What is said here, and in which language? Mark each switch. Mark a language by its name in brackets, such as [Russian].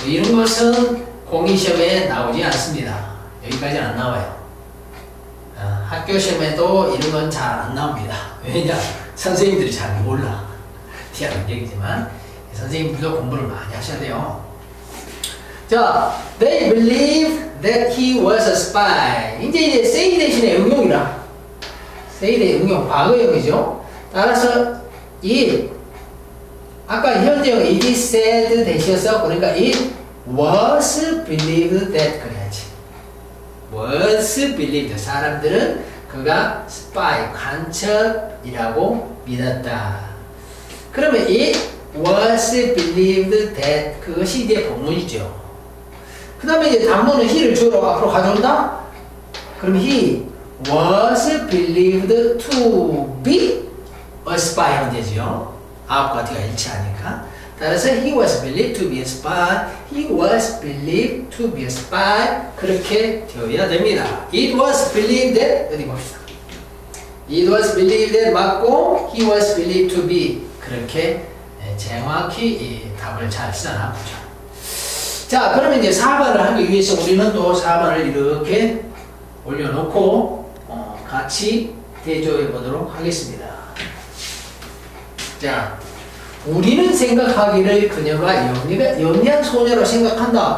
[Korean] 이런 것은 공인시험에 나오지 않습니다. 여기까지는 안 나와요. 학교 시험에도 이런 건 잘 안 나옵니다. 왜냐? 선생님들이 잘 몰라. 희한한 얘기지만 선생님들도 공부를 많이 하셔야 돼요. [English] 자, they believe that he was a spy. [Korean] 이제 say 대신에 응용이라. say의 응용, 과거형이죠. 따라서 it, 아까 현재형 [English] it is said [Korean] 되셨어. 그러니까 [English] it was believed that [Korean] 그래야지. [English] was believed, [Korean] 사람들은 그가 spy, 간첩이라고 믿었다. 그러면 [English] it was believed that, [Korean] 그것이 이제 본문이죠. 그 다음에 이제 단문은 he를 주로 앞으로 가져온다. 그럼 [English] he was believed to be a spy [Korean] 형제지요. 앞과 뒤가 일치하니까. 따라서 [English] he was believed to be a spy. he was believed to be a spy. 그렇게 되어야 됩니다. it was believed that, [Korean] 어디 봅시다. [English] it was believed that [Korean] 맞고 [English] he was believed to be. [Korean] 그렇게 정확히 이 답을 잘 써놔보죠. 자, 그러면 이제 4번을 하기 위해서 우리는 또 4번을 이렇게 올려놓고 같이 대조해 보도록 하겠습니다. 자, 우리는 생각하기를 그녀가 연리한 소녀로 생각한다.